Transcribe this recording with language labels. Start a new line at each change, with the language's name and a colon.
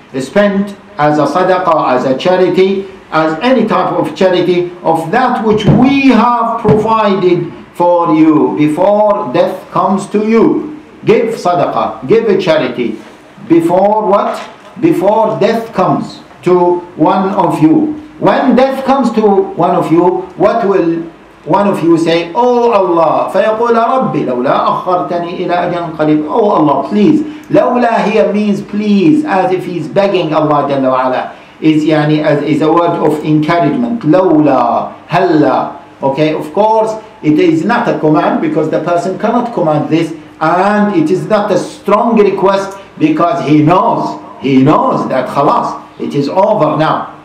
English: Spend as a sadaqah, as a charity, as any type of charity, of that which we have provided for you before death comes to you. Give sadaqah, give a charity before what? Before death comes to one of you. When death comes to one of you, what will one of you say? Oh Allah,
Arabic: فَيَقُولَ رَبِّ لَوْلَا أَخَّرْتَنِي إِلَىٰ أَجَلٍ قَرِيبٍ.
English: Oh Allah, please. لَوْلَا here means please, as if he's begging Allah Jalla wa Ala. Is a word of encouragement. لَوْلَا هَلَّا. Okay, of course, it is not a command because the person cannot command this. And it is not a strong request because he knows that خلاص, it is over now.